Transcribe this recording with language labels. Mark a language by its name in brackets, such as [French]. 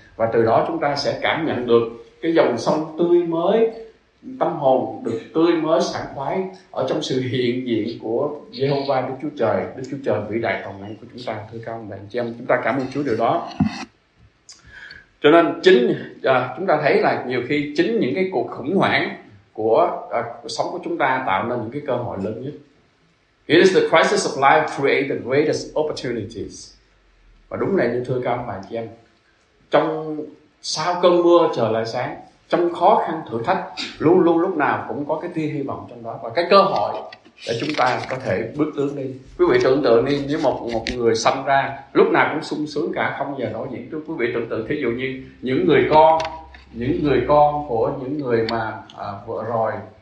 [Vietnamese] Và từ đó chúng ta sẽ cảm nhận được cái dòng sông tươi mới, tâm hồn được tươi mới sảng khoái ở trong sự hiện diện của Giê-hô-va Đức Chúa Trời, Đức Chúa Trời vĩ đại toàn năng của chúng ta. Thưa các ông bạn chị em, chúng ta cảm ơn Chúa điều đó. Cho nên chúng ta thấy là nhiều khi chính những cái cuộc khủng hoảng của sống của chúng ta tạo nên những cái cơ hội lớn nhất. [English] It is the crisis of life create the greatest opportunities. [Vietnamese] Và đúng này, như thưa các ông bạn chị em, trong sau cơn mưa trời lại sáng, trong khó khăn thử thách luôn luôn lúc nào cũng có cái tia hy vọng trong đó, và cái cơ hội để chúng ta có thể bước tướng đi. Quý vị tưởng tượng đi, nếu một người sinh ra lúc nào cũng sung sướng cả, không giờ đổi diễn trước, quý vị tưởng tượng thí dụ như những người con của những người mà vừa rồi